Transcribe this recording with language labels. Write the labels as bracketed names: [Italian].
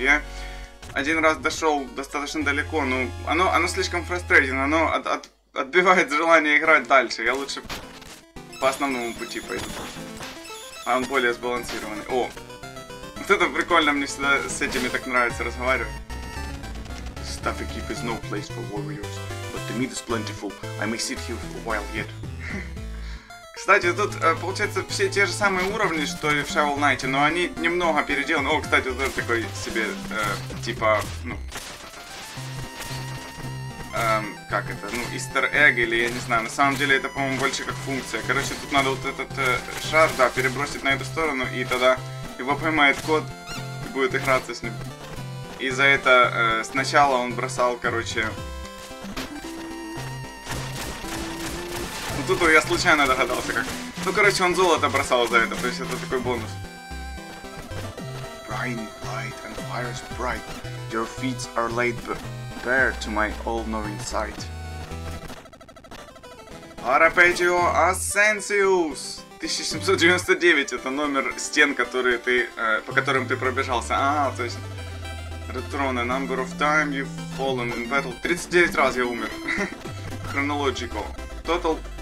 [Russian] Я один раз дошел достаточно далеко, но оно слишком фрустрейтинг. Оно отбивает желание играть дальше. Я лучше по основному пути пойду. А он более сбалансированный. О, вот это прикольно. Мне всегда с этими так нравится разговаривать. [English] Stuffy keep is no place for warriors, but the meat is plentiful. I may sit here for a while yet. [Russian] Кстати, тут, получается, все те же самые уровни, что и в Shovel Knight, но они немного переделаны. О, кстати, вот это такой себе, типа, ну... как это? Ну, Easter Egg или я не знаю. На самом деле, это, по-моему, больше как функция. Короче, тут надо вот этот шар, да, перебросить на эту сторону, и тогда его поймает кот и будет играться с ним. И за это сначала он бросал, короче... Тут я случайно догадался, как. Ну, короче, он золото бросал за это, то есть это такой бонус. [English] Bright light and fires bright. Your feet are laid bare to my all-knowing sight. Arpeggio Ascensius! [Russian] 1799 это номер стен, которые ты. По которым ты пробежался. А, то есть. [English] Retrone, number of time you've fallen in battle. [Russian] 39 раз я умер. [English] Chronological. Total.